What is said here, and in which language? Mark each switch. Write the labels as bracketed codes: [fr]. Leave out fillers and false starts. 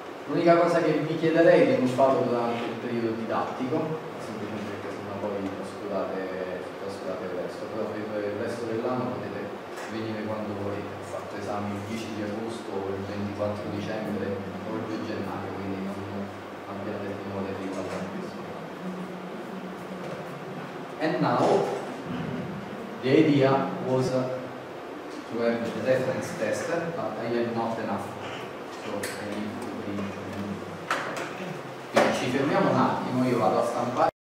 [it] L'unica cosa che vi chiederei è di non farlo durante il periodo didattico, poi trascurate il resto, però per il resto dell'anno potete venire quando vuoi, ho fatto esami il 10 di agosto, il 24 dicembre o il 2 gennaio, quindi non abbiate timore di guardare questo. [en] And now, the idea was to have the reference test, but I have not enough, so I need to bring it in. [it] Quindi ci fermiamo un attimo, io vado a stampare.